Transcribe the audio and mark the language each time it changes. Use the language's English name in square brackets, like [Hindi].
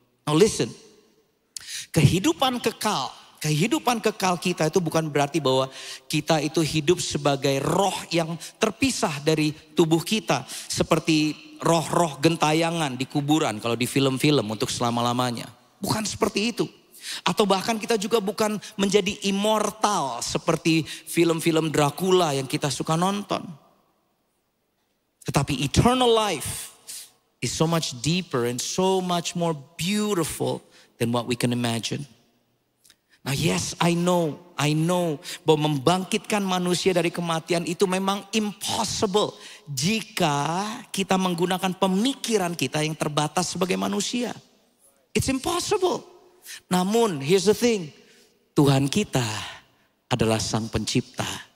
[English] Now listen, [Indonesian] kehidupan kekal kita itu bukan berarti bahwa kita itu hidup sebagai roh yang terpisah dari tubuh kita. Seperti roh-roh gentayangan di kuburan kalau di film-film untuk selama-lamanya. Bukan seperti itu. Atau bahkan kita juga bukan menjadi immortal seperti film-film Dracula yang kita suka nonton. Tetapi [English] eternal life is so much deeper and so much more beautiful than what we can imagine. Now yes, I know [Indonesian] bahwa membangkitkan manusia dari kematian itu memang impossible jika kita menggunakan pemikiran kita yang terbatas sebagai manusia. [English] It's impossible. [Indonesian] Namun, [English] here's the thing, [Indonesian] Tuhan kita adalah Sang Pencipta.